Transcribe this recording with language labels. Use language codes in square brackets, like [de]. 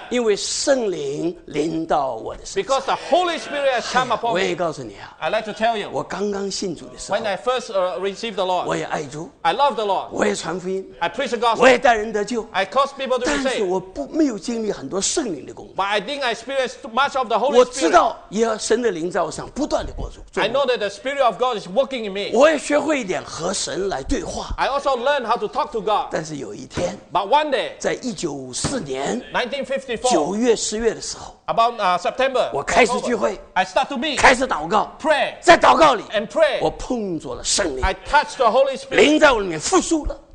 [zh] 因为圣灵临到我的身上。 [en] Because the Holy Spirit has come upon me. [zh] 我也告诉你啊。 [en] I'd like to tell you. [zh] 我刚刚信主的时候。 [en] When I first received the Lord. [zh] 我也爱主。 [en] I love the Lord. [zh] 我也传福音。 [en] I preach the gospel. [zh] 我也带人得救。 [en] I cause people to be saved. [zh] 但是我不没有经历很多圣灵的工作。 [en] But I think I experienced much of the Holy Spirit. [zh] 我知道耶和神的灵在我身上不断的工作。 [en] I know that the Spirit of God is working in me. [zh] 我也学会一点和神来对话。 [en] I also learned how to talk to God. [zh] 但是有一天。 [en] But one day. [zh] 在1954年。 [en] 1954, [zh] 9月10月的时候 [en] about, September, [zh] 我开始聚会 [en] I start to meet, [zh] 开始祷告 [en] pray, [zh] 在祷告里 [en] and pray, [zh] 我碰着了圣灵 [en] I touched the Holy Spirit, [zh] 灵在我里面复苏了